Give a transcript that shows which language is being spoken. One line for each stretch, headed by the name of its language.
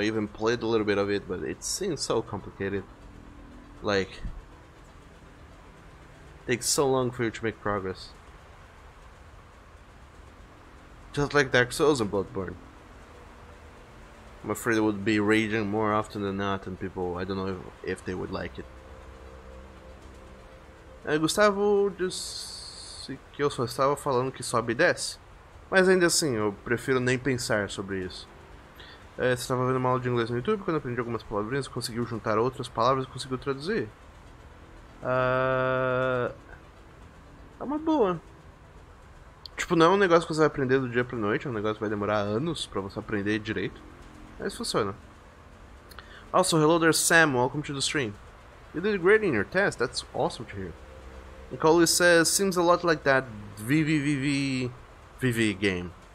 English: I even played a little bit of it, but it seems so complicated. Like, takes so long for you to make progress. Just like Dark Souls and Bloodborne. I'm afraid it would be raging more often than not, and people, I don't know if they would like it.
Portuguese: Gustavo disse que eu só estava falando que sobe e desce. Mas ainda assim, eu prefiro nem pensar sobre isso. Você estava vendo uma aula de inglês no YouTube, quando aprendi algumas palavrinhas, conseguiu juntar outras palavras e conseguiu traduzir? É uma boa. Tipo, não é um negócio que você vai aprender do dia pra noite, é um negócio que vai demorar anos pra você aprender direito. Mas funciona.
English: Also, hello there, Sam, welcome to the stream. You did great in your test, that's awesome to hear. And Coley says, seems a lot like that VVVV game.